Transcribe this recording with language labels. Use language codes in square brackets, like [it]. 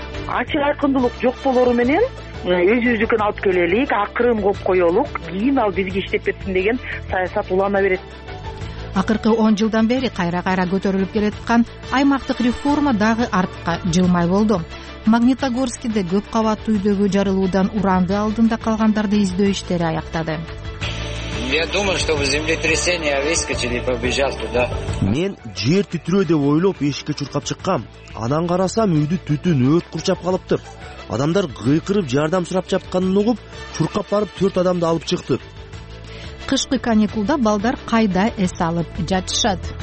[ky] Ачык айкындуулук жок болору менен өзүбүздүкүн алып келелик, акырын коюп коелук, кийин ал бизге иштеп кетсин деген саясат улана берет. Акыркы 10 жылдан бери кайра-кайра көтөрүлүп келаткан аймактык реформа дагы артка жылмай болду. Магнитогорскиде көп кабаттуу үйдөгү жарылуудан уранды алдында калгандарды издөө иштери аяктады. [ru] Я думал, что вы землетрясение выскочили, побежал туда. [ky] Мен жер титирөө деп ойлоп эшикке чуркап чыккам. Анан карасам үйдү түтүн өрт курчап калыптыр. Адамдар кыйкырып жардам сурап жатканын угуп, чуркап барып 4 адамды алып чыкты. Кышкы каникулда балдар кайда эс алып жатышат?